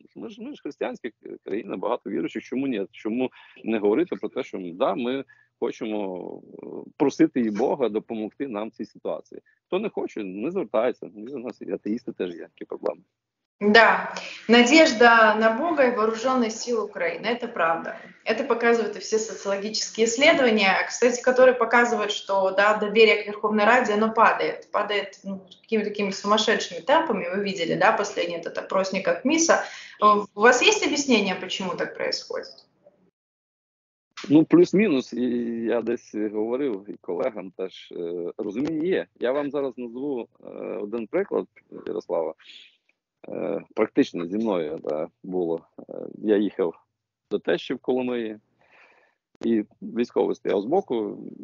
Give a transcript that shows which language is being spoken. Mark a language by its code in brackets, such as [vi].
[uk] Ми ж християнська країна, багато віруючих, чому ні? Чому не говорити про те, що да, ми хочемо просити і Бога допомогти нам в цій ситуації. Хто не хоче, не звертається. Ні, у нас і атеїсти теж є, які проблеми. [ru] Да, надежда на Бога и вооруженные силы Украины, это правда. Это показывают и все социологические исследования, кстати, которые показывают, что да, доверие к Верховной Раде, оно падает. Падает ну, такими сумасшедшими темпами, вы видели, да, последний этот опросник от МИСа. У вас есть объяснение, почему так происходит? [uk] Ну, плюс-мінус, я десь говорив і колегам теж, розуміння є. Я вам зараз назву один приклад, Ярослава. Практично зі мною да, було. Я їхав до Тещі в Коломиї і військовий стояв з боку.